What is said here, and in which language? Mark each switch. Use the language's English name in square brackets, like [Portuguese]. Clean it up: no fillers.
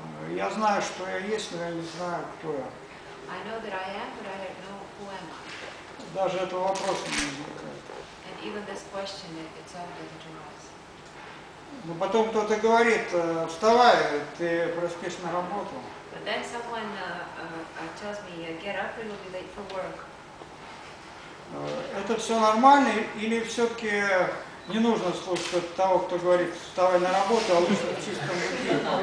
[Russian] Я знаю, что я есть, но я не знаю, кто я. [English] I know that I am, but I don't know who am I. [Russian] Даже этого вопроса не возникает. [English] And even this question, it's obvious to us. [Russian] Но потом кто-то говорит, вставай, ты проспишь на работу. [English] But then someone tells me, get up, you will be late for work. [Russian] Это все нормально или все-таки не нужно слушать того, кто говорит, вставай на работу, а лучше в чистом виде.